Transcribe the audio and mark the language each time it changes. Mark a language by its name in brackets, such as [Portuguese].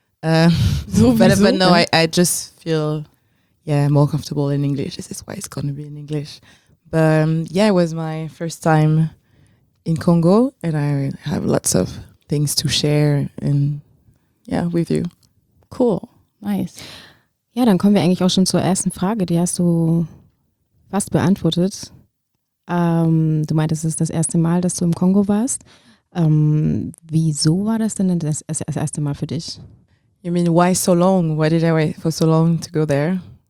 [German] Sowieso? [English] But no, I just feel more comfortable in English. This is why it's going to be in English. But it was my first time in Congo, and I have lots of things to share and with you. Cool, nice. [German] Ja, dann kommen wir eigentlich auch schon zur ersten Frage, die hast du fast beantwortet. Du meintest, es ist das erste Mal, dass du im Kongo warst. Wieso war das denn das erste Mal für dich? [English] You mean, why so long? Why did I wait for so long to go there?